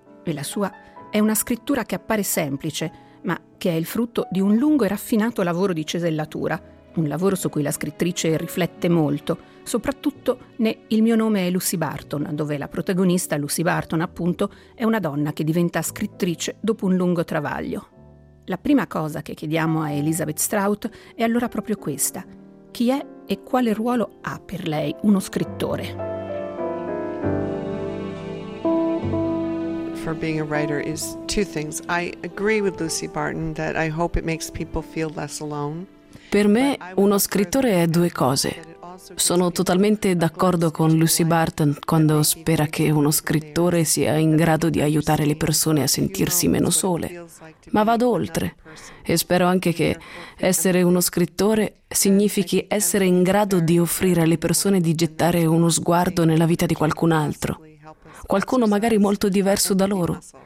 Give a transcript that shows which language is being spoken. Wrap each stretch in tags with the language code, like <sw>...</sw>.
<it>E la sua è una scrittura che appare semplice, ma che è il frutto di un lungo e raffinato lavoro di cesellatura, un lavoro su cui la scrittrice riflette molto, soprattutto ne Il mio nome è Lucy Barton, dove la protagonista, Lucy Barton appunto, è una donna che diventa scrittrice dopo un lungo travaglio. La prima cosa che chiediamo a Elizabeth Strout è allora proprio questa: chi è e quale ruolo ha per lei uno scrittore?</it> <en>For being a writer is two things. I agree with Lucy Barton that I hope it makes people feel less alone.</en> <it>Per me uno scrittore è due cose. Sono totalmente d'accordo con Lucy Barton quando spera che uno scrittore sia in grado di aiutare le persone a sentirsi meno sole. Ma vado oltre e spero anche che essere uno scrittore significhi essere in grado di offrire alle persone di gettare uno sguardo nella vita di qualcun altro, qualcuno magari molto diverso da loro.</it>